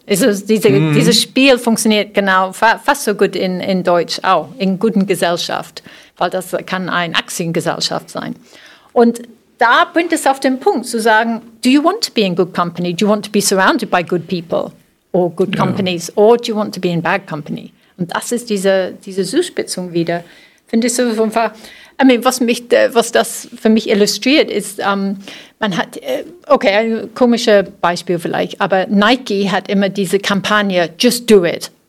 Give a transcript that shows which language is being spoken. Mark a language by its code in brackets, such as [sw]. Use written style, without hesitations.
[de] Also dieses Spiel funktioniert genau fast so gut in Deutsch auch, in guten Gesellschaft, weil das kann eine Aktiengesellschaft sein. Und da bringt es auf den Punkt zu sagen, [en] do you want to be in good company? Do you want to be surrounded by good people or good companies? Ja. Or do you want to be in bad company? [de] Und das ist diese Zuspitzung wieder. Finde ich so einfach, [en] I mean, [de] was das für mich illustriert, ist, man hat, okay, ein komisches Beispiel vielleicht, aber Nike hat immer diese Kampagne, just do it.